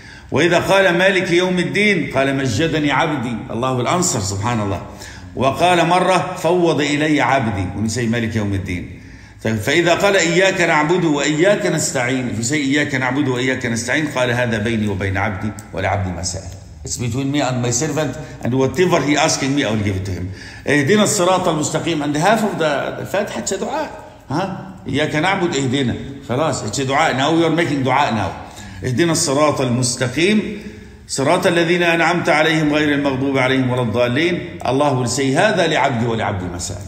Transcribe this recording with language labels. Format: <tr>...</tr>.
<ar>وإذا قال مالك يوم الدين قال مجدني عبدي، الله الأنصر سبحان الله. وقال مرة فوض إلي عبدي، ونسي مالك يوم الدين. فإذا قال إياك نعبد وإياك نستعين، في شيء إياك نعبد وإياك نستعين، قال هذا بيني وبين عبدي ولعبدي ما سأل.</ar> <en>It's between me and my servant and whatever he asking me I will give it to him.</en> <ar>اهدنا الصراط المستقيم</ar> <en>and half of the</en> <ar>فاتحة دعاء. إياك نعبد اهدنا. خلاص</ar> <en>it's</en> <ar>دعاء</ar> <en>now, you're making</en> <ar>دعاء now. اهدنا الصراط المستقيم صراط الذين أنعمت عليهم غير المغضوب عليهم ولا الضالين. الله</ar> <en>will say</en> <ar>هذا لعبدي ولعبدي ما سأل.</ar>